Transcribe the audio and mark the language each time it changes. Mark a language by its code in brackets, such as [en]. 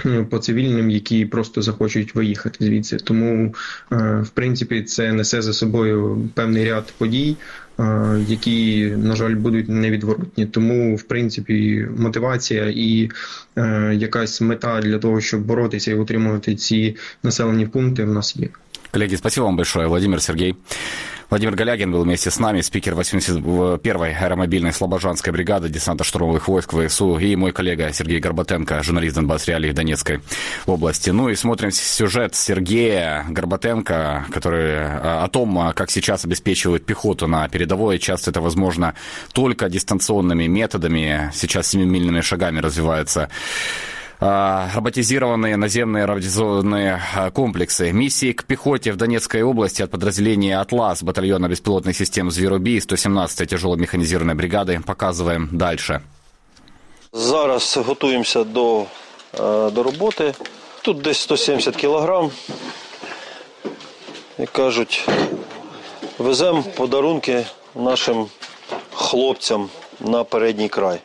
[uk] По цивільним, які просто захочуть виїхати звідси. Тому, в принципі, це несе за собою певний ряд подій, які, на жаль, будуть невідворотні. Тому, в принципі, мотивація і якась мета для того, щоб боротися і утримувати ці населені пункти, в нас є. [ru] Коллеги, спасибо вам большое. Владимир, Сергей. Владимир Галягин был вместе с нами, спикер 81-й аэромобильной слабожанской бригады десантно-штурмовых войск ВСУ и мой коллега Сергей Горбатенко, журналист Донбасс Реалии Донецкой области. Ну и смотрим сюжет Сергея Горбатенко, который о том, как сейчас обеспечивают пехоту на передовой. Часто это возможно только дистанционными методами. Сейчас семимильными шагами развивается роботизированные наземные роботизированные комплексы. Миссии к пехоте в Донецкой области от подразделения «Атлас» батальона беспилотных систем «Звіробій» 117-я тяжело-механизированной бригады. Показываем дальше. [uk] Зараз готуємося до роботи. Тут десь 170 кілограм. Як кажуть, веземо подарунки нашим хлопцям на передній край.